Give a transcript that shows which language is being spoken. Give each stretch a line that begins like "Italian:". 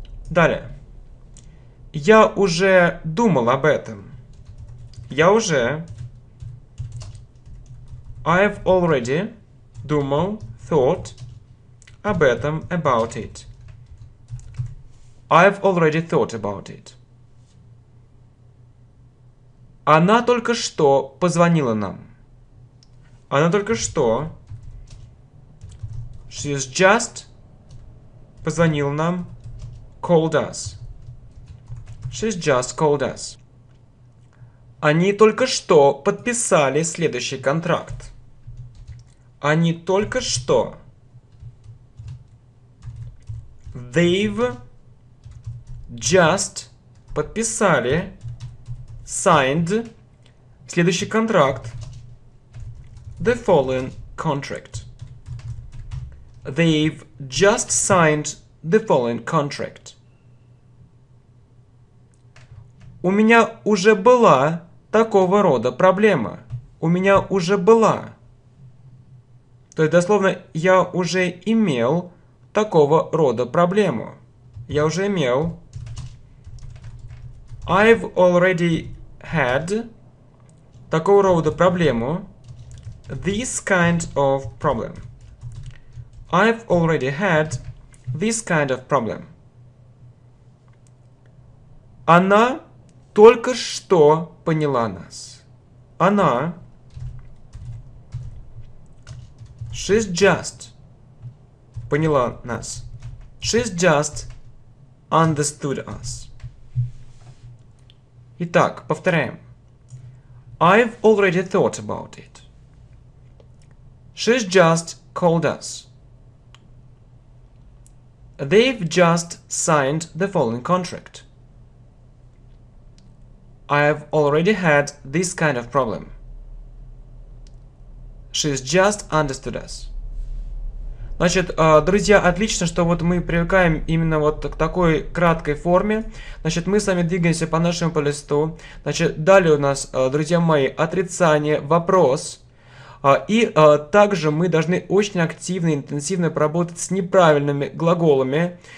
Russian: Далее. Я уже думал об этом. Я уже.
English: I've already
Russian: думал,
English: thought
Russian: об этом,
English: about it. I've already thought about it.
Russian: Она только что позвонила нам. Она только что.
English: She's just
Russian: позвонила нам.
English: Called us. She's just called us.
Russian: Они только что подписали следующий контракт. Они только что.
English: They've just
Russian: подписали,
English: signed
Russian: следующий контракт.
English: The following contract. They've just signed the following contract.
Russian: У меня уже была такого рода проблема. У меня уже была. То есть, дословно, я уже имел такого рода проблему. Я уже имел.
English: I've already had
Russian: такого рода проблему.
English: This kind of problem. I've already had this kind of problem.
Russian: Она только что поняла нас. Она.
English: She's just
Russian: поняла нас.
English: She's just understood us.
Russian: Итак, повторяем.
English: I've already thought about it. She's just called us. They've just signed the following contract. I've already had this kind of problem. She's just understood us.
Russian: Значит, друзья, отлично, что вот мы привыкаем именно вот к такой краткой форме. Значит, мы с вами двигаемся по нашему по листу. Значит, далее у нас, друзья мои, отрицание, вопрос. Также мы должны очень активно, интенсивно поработать с неправильными глаголами.